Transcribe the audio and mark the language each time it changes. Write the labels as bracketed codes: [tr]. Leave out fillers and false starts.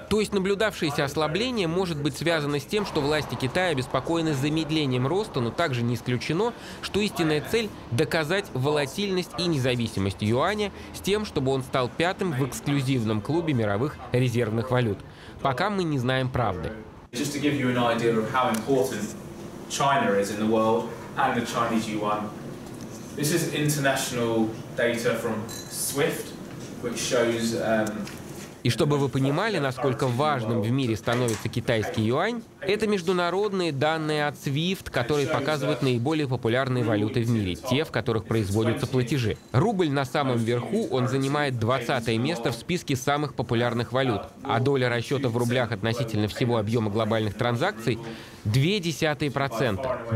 [ru] То есть наблюдавшееся ослабление может быть связано с тем, что власти Китая обеспокоены замедлением роста, но также не исключено, что истинная цель – доказать волатильность и независимость юаня с тем, чтобы он стал 5-м в эксклюзивном клубе мировых резервных валют. Пока мы не знаем правды. [en] Just to give you an idea of how important China is in the world and the Chinese yuan. This is international data from SWIFT, which shows... [ru] И чтобы вы понимали, насколько важным в мире становится китайский юань, это международные данные от SWIFT, которые показывают наиболее популярные валюты в мире, те, в которых производятся платежи. Рубль на самом верху, он занимает 20-е место в списке самых популярных валют, а доля расчета в рублях относительно всего объема глобальных транзакций – 0,2%.